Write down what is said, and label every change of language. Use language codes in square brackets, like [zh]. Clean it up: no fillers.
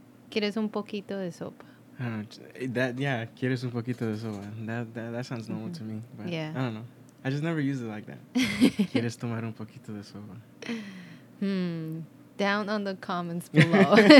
[es] ¿Quieres un poquito de sopa? Quieres un poquito de sopa. [en] That sounds normal to me. But yeah. I don't know. I just never use it like that. [es] Quieres tomar un poquito de sopa. [en] Down on the comments below.